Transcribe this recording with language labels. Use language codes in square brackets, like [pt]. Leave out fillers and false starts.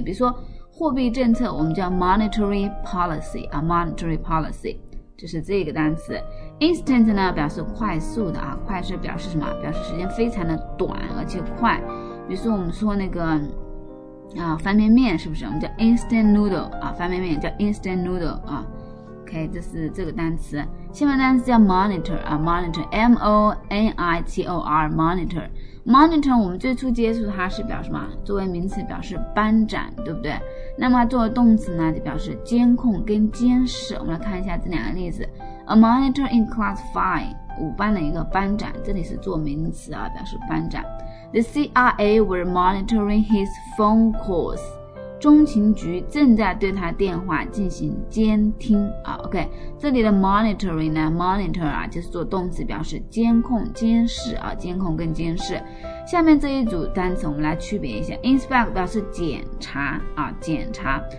[zh] 比如说货币政策我们叫 monetary policy 啊， monetary policy， 这是这个单词。 instant 呢表示快速的啊，快速表示什么，表示时间非常的短而且快。比如说我们说那个啊，方便面是不是，我们叫 instant noodle 啊，方便面叫 instant noodle 啊。 OK， 这是这个单词。下面单词叫 monitor 啊 ，monitor， M O N I T O R， monitor， monitor， 我们最初接触它是表什么？作为名词表示班长，对不对？那么作为动词呢，就表示监控跟监视。我们来看一下这两个例子 ， [en] a monitor in class five， [zh] 五班的一个班长，这里是做名词啊，表示班长。 [en] The CIA were monitoring his phone calls。 [zh] 中情局正在对他电话进行监听啊 ，OK， 这里的 monitoring 呢 ，monitor 啊就是做动词表示监控、监视啊，监控跟监视。下面这一组单词我们来区别一下 ，inspect 表示检查啊，检查。